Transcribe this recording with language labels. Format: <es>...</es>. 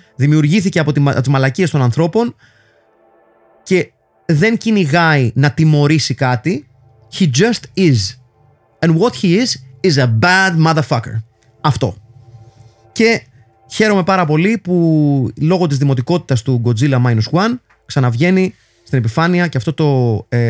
<el>Δημιουργήθηκε από τις μαλακίες των ανθρώπων και δεν κυνηγάει να τιμωρήσει κάτι.</el> <en>He just is. And what he is a bad motherfucker.</en> <el>Αυτό. Και χαίρομαι πάρα πολύ που λόγω της δημοτικότητας του Godzilla Minus One ξαναβγαίνει στην επιφάνεια και αυτό το...</el>